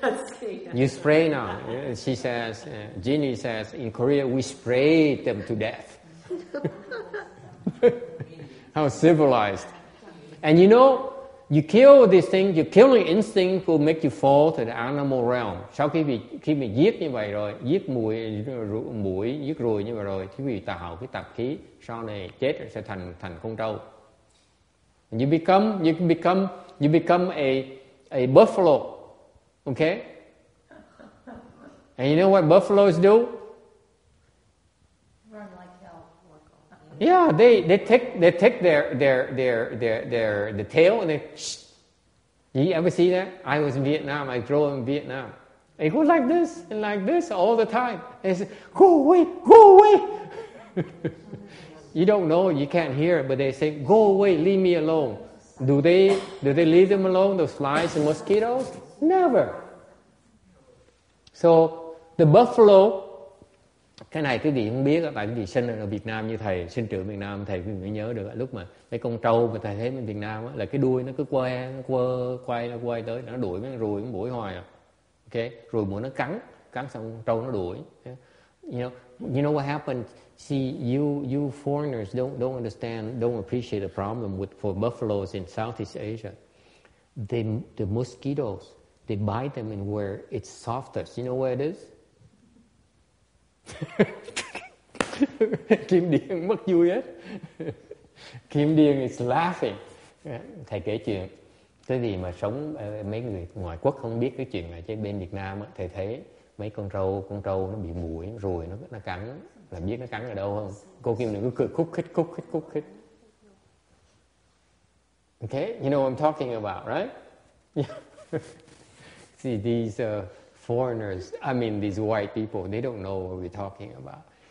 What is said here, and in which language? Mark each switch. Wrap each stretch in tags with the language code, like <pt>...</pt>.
<en>Okay. You spray now. She says, Jeannie says, in Korea, we spray them to death. How civilized. And you know, you kill this thing, your killing instinct will make you fall to the animal realm.</en> <vi>Sau khi mình giết như vậy rồi, giết muỗi, giết ruồi như vậy rồi, thì vì tạo cái tạp khí, sau này chết sẽ thành con trâu.</vi> <en>You become a buffalo. Okay? And you know what buffaloes do? Run like hell. Yeah, they take their tail and they shh. You ever see that? I was in Vietnam. I grew up in Vietnam. It goes like this and like this all the time. They say, go away, go away. You don't know, you can't hear, but they say, go away, leave me alone. Do they leave them alone, those flies and mosquitoes? Never. So the buffalo,</en> <vi>cái này quý vị không biết, tại quý vị sinh ở Việt Nam như thầy, sinh trưởng Việt Nam, thầy mới nhớ được lúc mà mấy con trâu mà thầy thấy bên Việt Nam là cái đuôi nó cứ quay, nó quơ, quay, nó quay tới, nó đuổi mấy con ruồi, mấy mũi hoài. Ok, ruồi mũi nó cắn, cắn xong trâu nó đuổi.</vi> <en>You know what happened? See, you foreigners don't understand, don't appreciate the problem with for buffaloes in Southeast Asia. The mosquitoes, they bite them in where it's softest. You know where it is?</en> <vi>Kim Điền mất vui hết.</vi> <en>Kim Điền is laughing.</en> <vi>Thầy kể chuyện. Thế thì mà sống mấy người ngoại quốc không biết cái chuyện này, chứ bên Việt Nam thầy thấy mấy con trâu nó bị muỗi, ruồi nó cắn, là biết nó cắn ở đâu không? Cô Kim Điền cứ cười khúc khích.</vi> <en>Okay, you know what I'm talking about, right? Yeah. See these foreigners, I mean these white people, they don't know what we're talking about.</en>